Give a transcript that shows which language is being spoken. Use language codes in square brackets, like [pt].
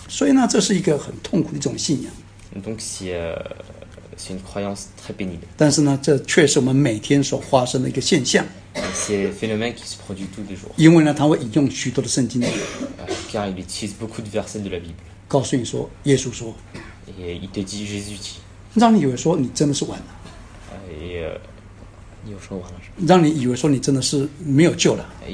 [zh] 所以呢, 这是一个很痛苦的一种信仰. [fr] Donc, c'est une croyance très pénible. [zh] 但是呢, 这却是我们每天所发生的一个现象. [fr] C'est un phénomène qui se produit tous les jours. [zh] 因为呢, 他会引用许多的圣经. [fr] Car il utilise beaucoup de versets de la Bible. [zh] 告诉你说, 耶稣说, [fr] et il te dit, Jésus dit, [zh] 让你以为说你真的是完了, et, 让你以为说你真的是没有救了,